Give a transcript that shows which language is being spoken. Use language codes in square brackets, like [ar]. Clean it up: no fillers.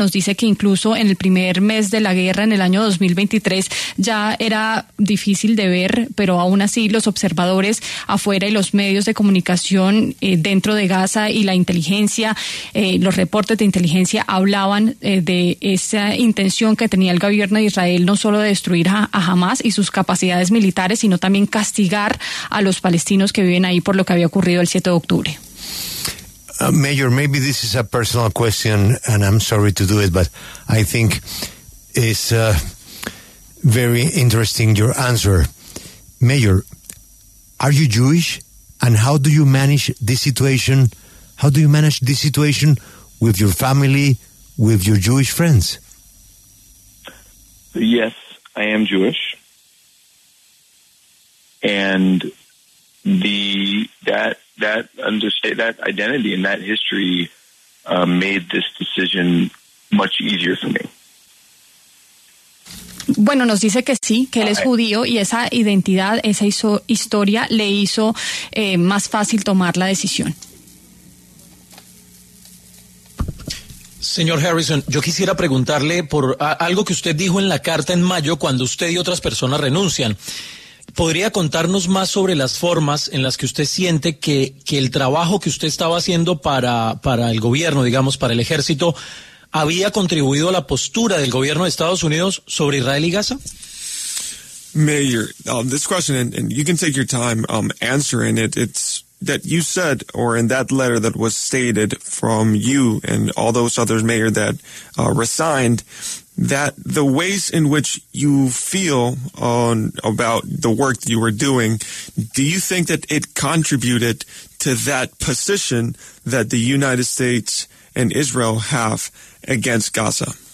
[es] Nos dice que incluso en el primer mes de la guerra, en el año 2023, ya era difícil de ver, pero aún así los observadores afuera y los medios de comunicación dentro de Gaza y la inteligencia, los reportes de inteligencia hablaban de esa intención que tenía el gobierno de Israel, no solo de destruir a Hamas y sus capacidades militares, sino también castigar a los palestinos que viven ahí por lo que había ocurrido el 7 de octubre. [en] Major, maybe this is a personal question and I'm sorry to do it, but I think it's very interesting, your answer. Mayor, are you Jewish? And how do you manage this situation? How do you manage this situation with your family, with your Jewish friends? Yes, I am Jewish. And that identity and that history made this decision much easier for me. [es] Bueno, nos dice que sí, que él es judío y esa identidad, esa historia le hizo más fácil tomar la decisión. Señor Harrison, yo quisiera preguntarle por algo que usted dijo en la carta en mayo cuando usted y otras personas renuncian. ¿Podría contarnos más sobre las formas en las que usted siente que el trabajo que usted estaba haciendo para el gobierno, digamos, para el ejército, había contribuido a la postura del gobierno de Estados Unidos sobre Israel y Gaza? [en] Mayor, this question, and you can take your time answering it. It's that you said, or in that letter that was stated from you and all those others, Mayor, that resigned, that the ways in which you feel on about the work that you were doing, do you think that it contributed to that position that the United States and Israel have against Gaza?